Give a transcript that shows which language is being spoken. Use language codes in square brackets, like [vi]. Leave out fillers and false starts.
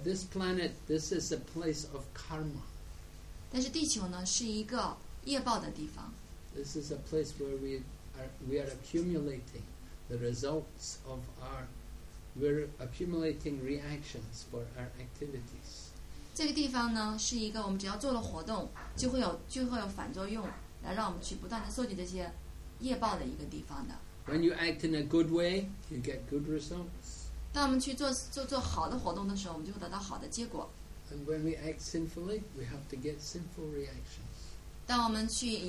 [en] this planet, this is a place of karma. [zh] 但是地球呢，是一个业报的地方。This [en] is a place where we are accumulating the results of our, we're accumulating reactions for our activities. [zh] 这个地方呢，是一个我们只要做了活动，就会有反作用，来让我们去不断的收集这些业报的一个地方的。When [en] you act in a good way, you get good results. [zh] 当我们去做好的活动的时候，我们就会得到好的结果。And [en] when we act sinfully, we have to get sinful reactions.